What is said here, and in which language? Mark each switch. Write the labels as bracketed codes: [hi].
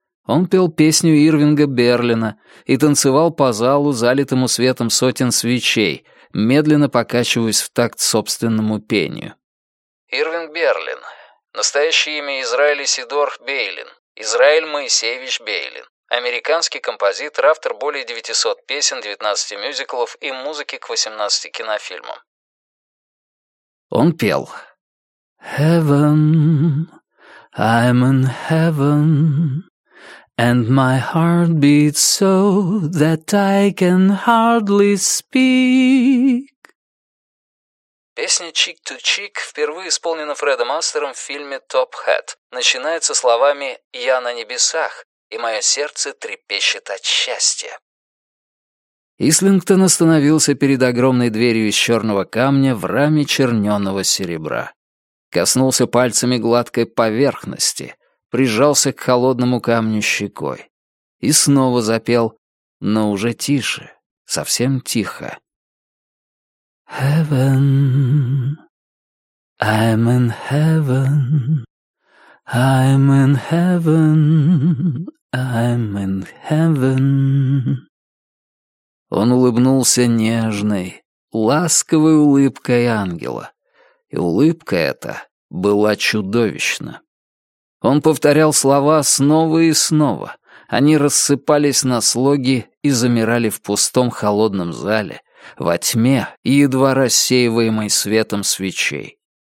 [ru] Он пел песню Ирвинга Берлина и танцевал по залу, залитому светом сотен свечей, медленно покачиваясь в такт собственному пению. Ирвинг Берлин. Настоящее имя Израиль Исидор Бейлин. Израиль Моисеевич Бейлин. Американский композитор, автор более 900 песен, 19 мюзиклов и музыки к 18 кинофильмам. Он пел. [en] Heaven, I'm in heaven, and my heart beats so that I can hardly speak. [ru] Песня «Cheek to Cheek», впервые исполнена Фредом Астером в фильме «Top Hat», начинается словами «Я на небесах, и мое сердце трепещет от счастья». Ислингтон остановился перед огромной дверью из черного камня в раме черненого серебра. Коснулся пальцами гладкой поверхности, прижался к холодному камню щекой и снова запел, но уже тише, совсем тихо. [en] Heaven, I'm in heaven, I'm in heaven, I'm in heaven. [ru] Он улыбнулся нежной, ласковой улыбкой ангела, и улыбка эта была чудовищна. Он повторял слова снова и снова, они рассыпались на слоги и замирали в пустом холодном зале, во тьме, едва рассеиваемой светом свечей.